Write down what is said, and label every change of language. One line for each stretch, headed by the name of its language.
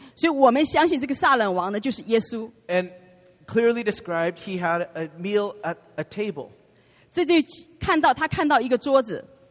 Chinese: 所以我们相信这个撒冷王呢，就是耶稣。
English: And clearly described, he had a meal at a table.
Chinese: 这就看到他看到一个桌子。